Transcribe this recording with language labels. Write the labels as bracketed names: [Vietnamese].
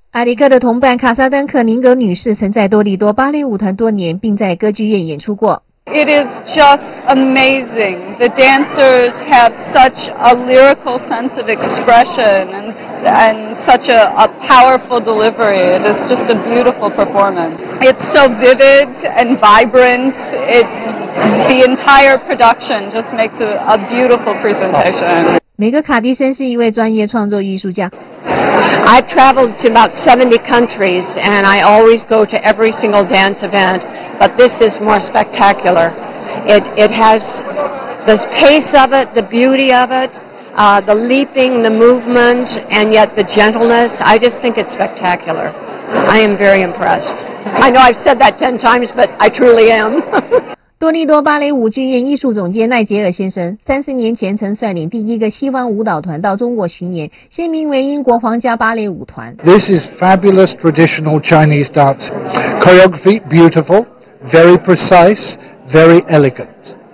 [Chinese] 艾里克的同伴卡萨丹克宁格女士曾在多利多芭蕾舞团多年，并在歌剧院演出过。 [English] It is just amazing. The dancers have such a lyrical sense of expression and such a powerful delivery. It is just a beautiful performance. It's so vivid and vibrant. The entire production just makes a beautiful presentation. [Chinese] 梅格·卡迪森是一位专业创作艺术家。 [English] I've traveled to about 70 countries and I always go to every single dance event, but this is more spectacular. It has the pace of it, the beauty of it, the leaping, the movement, and yet the gentleness. I just think it's spectacular. I am very impressed. I know I've said that 10 times, but I truly am. [Chinese] 多利多芭蕾舞剧院艺术总监奈杰尔先生30年前曾率领第一个西方舞蹈团到中国巡演，现名为英国皇家芭蕾舞团。 [English] This is fabulous traditional Chinese dance. Choreography beautiful, very precise, very elegant.